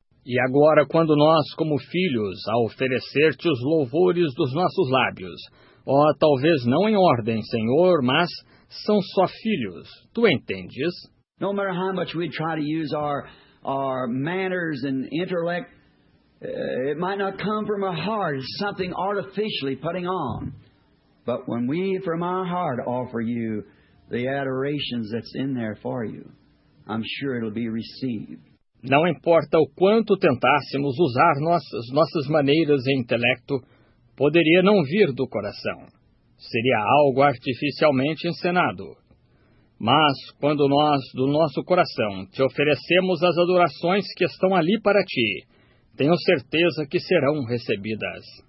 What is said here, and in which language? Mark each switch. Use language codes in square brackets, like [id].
[pt] E agora, quando nós, como filhos, a oferecer-te os louvores dos nossos lábios, ó, talvez não em ordem, Senhor, mas são só filhos. Tu entendes? [en] No matter how much we try to use our manners and intellect, it might not come from our heart. It's something artificially putting on. But when we, from our heart, offer you the adorations that's in there for you, I'm sure it'll be received. [pt] Não importa o quanto tentássemos usar nossas maneiras e intelecto, poderia não vir do coração. Seria algo artificialmente encenado. Mas, quando nós, do nosso coração, te oferecemos as adorações que estão ali para ti, tenho certeza que serão recebidas.